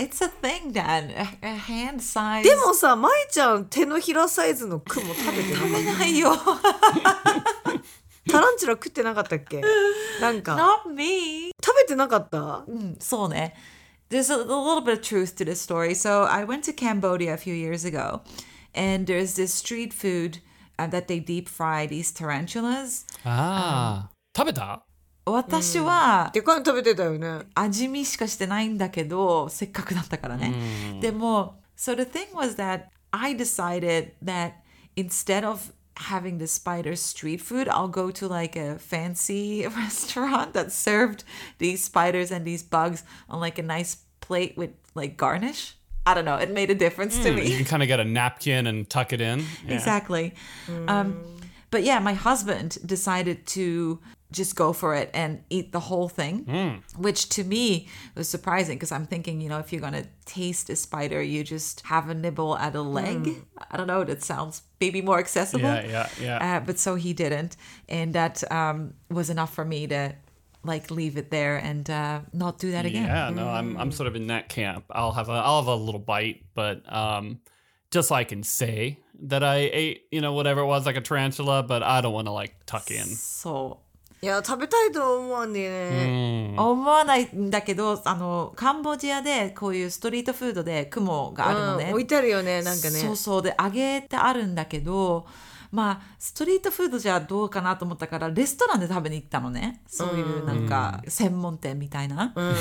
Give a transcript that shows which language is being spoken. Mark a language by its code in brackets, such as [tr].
[en] It's a thing, Dan. A hand size. [ja] でもさ、まいちゃん手のひらサイズの雲食べてない。食べないよ。タランチュラ食ってなかったっけ？なんか。 [en] Not me. [ja] 食べてなかった？うん、そうね。 [en] There's a little bit of truth to this story. So I went to Cambodia a few years ago, and there's this street food that they deep fry these tarantulas. [ja] Tabeta? 私は、でかいの食べてたよね。味見しかしてないんだけど、せっかくだったからね。でも、 [en] so the thing was that I decided that instead of having the spider street food, I'll go to like a fancy restaurant that served these spiders and these bugs on like a nice plate with like garnish. I don't know. It made a difference to me. You can kind of get a napkin and tuck it in. Yeah. Exactly. Mm. But yeah, my husband decided to just go for it and eat the whole thing, which to me was surprising because I'm thinking, you know, if you're going to taste a spider, you just have a nibble at a leg. Mm. I don't know. That sounds maybe more accessible. Yeah. But so he didn't. And that was enough for me to like leave it there and not do that again. Yeah, no, I'm sort of in that camp. I'll have a little bite, but just so I can say that I ate, you know, whatever it was, like a tarantula, but I don't want to like tuck in. So [ja] yeah, 食べたいと思うんでね。思わないんだけど、 あの、カンボジアでこういうストリートフードで雲があるのね。置いてあるよね、なんかね。そうそう、で揚げてあるんだけど、 まあストリートフードじゃどうかなと思ったからレストランで食べに行ったのね。そういうなんか専門店みたいな。